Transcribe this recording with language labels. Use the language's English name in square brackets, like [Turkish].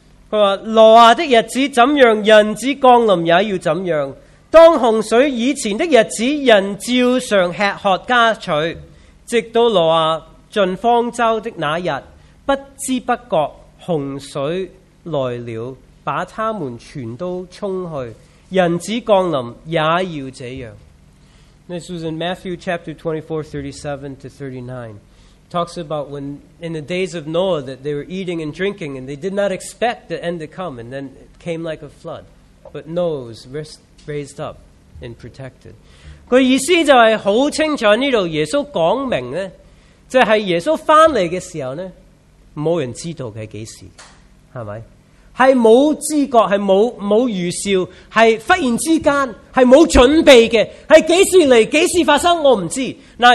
[Chinese] 他说挪亚的日子怎样，人子降临也要怎样，当洪水以前的日子，人照常吃喝加取，直到挪亚进方舟的那日，不知不觉洪水来了，把他们全都冲去，人子降临也要这样。 [English] This was in Matthew chapter 24:37-39. Talks about when in the days of Noah that they were eating and drinking and they did not expect the end to come, and then it came like a flood. But Noah was raised up and protected. [Chinese] 他意思就是很清楚，这里耶稣讲明呢，就是耶稣回来的时候呢，没人知道是几时，是吧？是没有知觉，是没有预兆，是忽然之间，是没有准备的，是几时来几时发生我不知道。